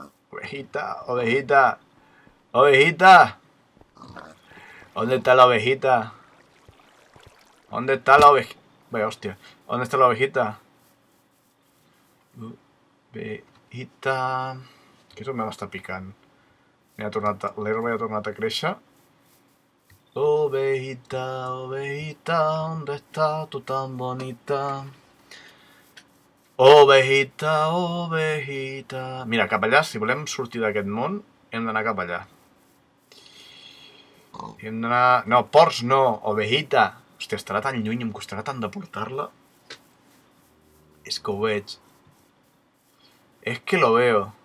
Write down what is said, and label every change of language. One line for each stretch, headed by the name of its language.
Spanish: Ovejita, ovejita... Ovejita! ¿Dónde está la ovejita? ¿Dónde está la ovejita? Vaya, hòstia. ¿Dónde está la ovejita? Ovejita...
Catalan: Què és el meu està picant? L'herba ja ha tornat a créixer.
Spanish: Ovejita, ovejita, ¿dónde está tu tan bonita? Ovejita, ovejita...
Catalan: Mira, cap allà, si volem sortir d'aquest món, hem d'anar cap allà. Hem d'anar... No, porcs no, ovejita! Hòstia, estarà tan lluny, em costarà tant de portar-la. És que ho veig. És
Spanish: que lo veo.